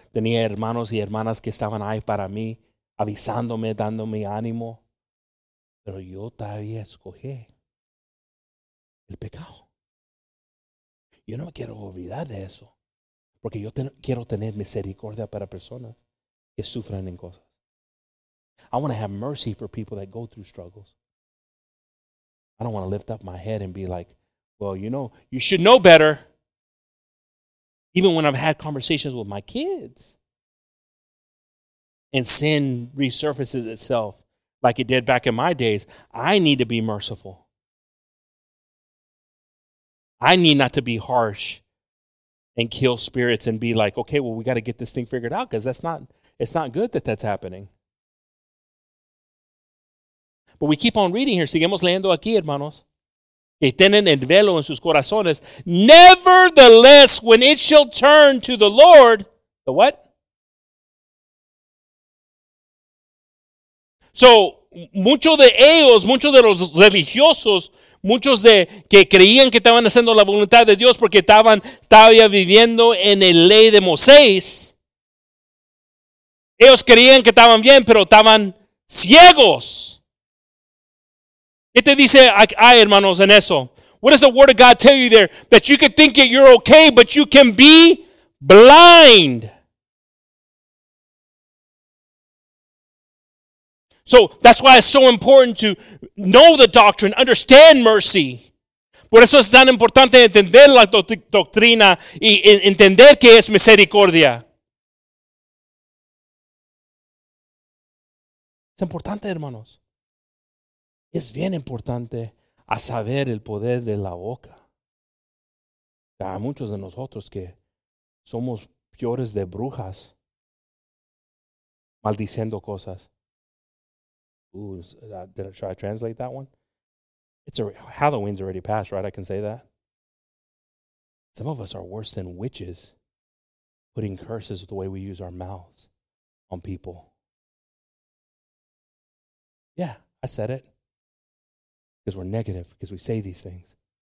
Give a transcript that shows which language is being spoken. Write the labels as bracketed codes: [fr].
[es] Tenía hermanos y hermanas que estaban ahí para mí, avisándome, dándome ánimo. Pero yo todavía escogí el pecado. Yo no me quiero olvidar de eso. Porque yo quiero tener misericordia para personas que sufren en cosas. [en] I want to have mercy for people that go through struggles. I don't want to lift up my head and be like, well, you know, you should know better. Even when I've had conversations with my kids. And sin resurfaces itself. Like it did back in my days, I need to be merciful. I need not to be harsh and kill spirits and be like, okay, well, we got to get this thing figured out because it's not good that that's happening. But we keep on reading here. [es] Seguimos leyendo aquí, hermanos. Que tienen el velo en sus corazones. [en] Nevertheless, when it shall turn to the Lord, the what? [es] So, muchos de ellos, muchos de los religiosos, muchos de que creían que estaban haciendo la voluntad de Dios porque estaban todavía viviendo en la ley de Moisés. Ellos creían que estaban bien, pero estaban ciegos. ¿Qué te dice ay, hermanos, en eso? [en] What does the word of God tell you there? That you can think that you're okay, but you can be blind. So that's why it's so important to know the doctrine, understand mercy. [es] Por eso es tan importante entender la doctrina y entender que es misericordia. Es importante, hermanos. Es bien importante a saber el poder de la boca. Hay muchos de nosotros que somos peores de brujas maldiciendo cosas. [en] Ooh, should I translate that one? Halloween's already passed, right? I can say that. Some of us are worse than witches, putting curses with the way we use our mouths on people. Yeah, I said it. Because we're negative, because we say these things.